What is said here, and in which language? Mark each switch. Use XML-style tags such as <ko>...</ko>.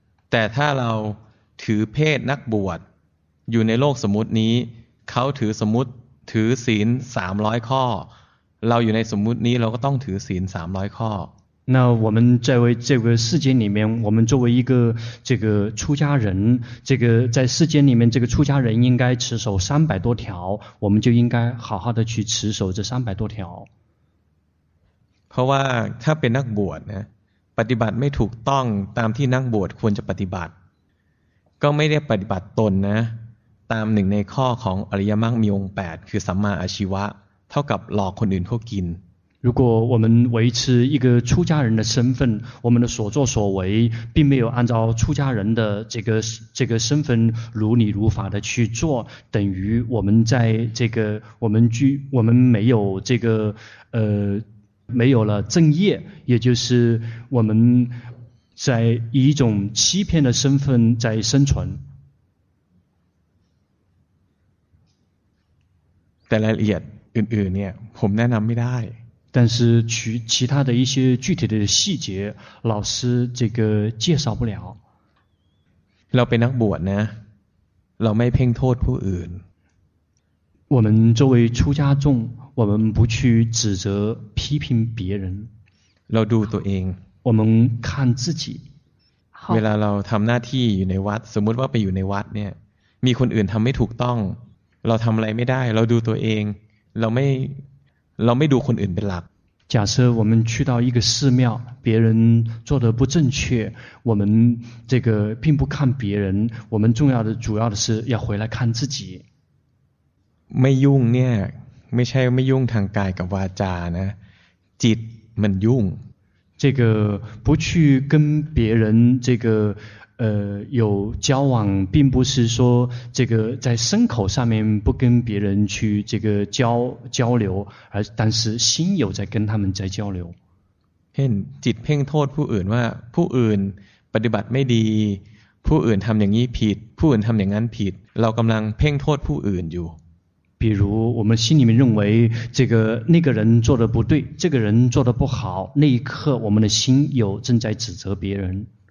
<th>แต่ถ้าเราถือเพศนักบวชอยู่ในโลกสมมุตินี้เขาถือสมมุติถือศีล300ข้อเราอยู่ในสมมุตินี้เราก็ต้องถือศีล300ข้</th> <zh>อ那我们在为这个世间里面我们作为一个这个出家人这个在世间里面这个出家人应该持守300多条我们就应该好好的去持守这300多条</zh> <th>เพราะว่าถ้าเป็นนักบวชนะปฏิบัติไม่ถูกต้องตามที่นักบวชควรจะปฏิบัติก็ไม่ได้ปฏิบัติตนนะตามหนึ่งในข้อของอริยมรรคมีองค์8คือสัมมาอาชีวะเท่ากับหลอกคนอื่นเขากิน</th> <zh>如果我们维持一个出家人的身份我们的所作所为并没有按照出家人的这个身份如理如法的去做等于我们在这个我们没有这个没有了正业也就是我们在以一种欺骗的身份在生存</zh> <th>แต่รายละเอียดอื่นๆเนี่ยผมแนะนำไม่ได้</th> <zh>但是其他的一些具体的细节老师这个介绍不了</zh> <th>เราเป็นนักบวชนะเราไม่เพ่งโทษผู้อื่น</th> <zh>我们作为出家众我们不去指责批评别人</zh> <th>เราดูตัวเอง เราคันซิจิ เวลาเราทำหน้าที่อยู่ในวัดสมมติว่าไปอยู่ในวัดเนี่ยมีคนอื่นทำไม่ถูกต้องเราทำอะไรไม่ได้เราดูตัวเองเราไม่ดูคนอื่นเป็นหลัก</th> <zh>假设我们去到一个寺庙别人做得不正确我们这个并不看别人我们重要的主要的是要回来看自己</zh> <th>ไม่ยุ่งเนี่ยไม่ใช่ไม่ยุ่งทางกายกับวาจานะจิตมันยุ่ง</th> <zh>这个不去跟别人这个有交往并不是说这个在身口上面不跟别人去这个交流而但是心有在跟他们在交流</zh> <th>จิตเพ่งโทษผู้อื่นว่าผู้อื่นปฏิบัติไม่ดีผู้อื่นทําอย่างนี้ผิดผู้อื่นทําอย่างนั้นผิดเรากําลังเพ่งโทษผู้อื่นอยู่</th> <zh>比如我们心里面认为这个那个人做的不对这个人做的不好那一刻我们的心有正在指责别人</zh>